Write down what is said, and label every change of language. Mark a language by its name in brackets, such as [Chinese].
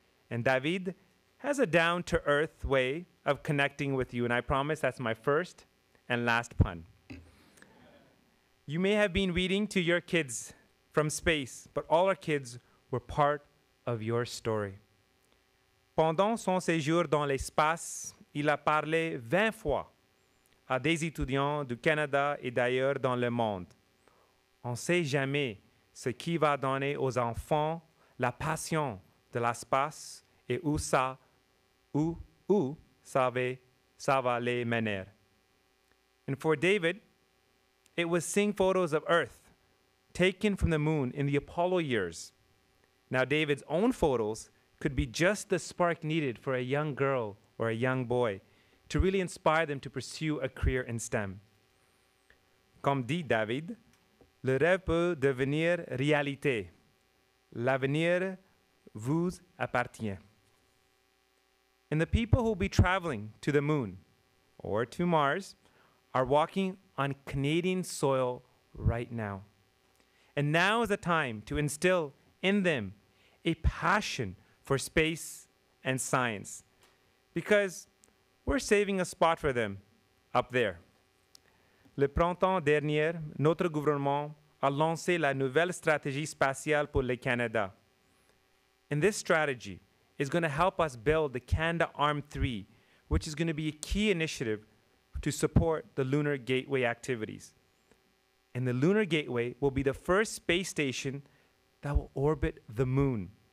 [English] And David has a down-to-earth way of connecting with you, and I promise that's my first and last pun. You may have been reading to your kids from space, but all our kids were part of your story. [French] Pendant son séjour dans l'espace, il a parlé 20 fois à des étudiants du Canada et d'ailleurs dans le monde. On ne sait jamais ce qui va donner aux enfants la passion de l'espace et où ça va les mener. [English] And for David, it was seeing photos of Earth taken from the moon in the Apollo years. Now David's own photos could be just the spark needed for a young girl or a young boy to really inspire them to pursue a career in STEM. [French] Comme dit David, le rêve peut devenir réalité. L'avenir vous appartient. [English] And the people who will be traveling to the moon or to Mars are walking on Canadian soil right now. And now is the time to instill in them a passion for space and science, because we're saving a spot for them up there. [French] Le printemps dernier, notre gouvernement a lancé la nouvelle stratégie spatiale pour le Canada. [English] And this strategy is going to help us build the Canada Arm 3, which is going to be a key initiative to support the Lunar Gateway activities. And the Lunar Gateway will be the first space station that will orbit the moon.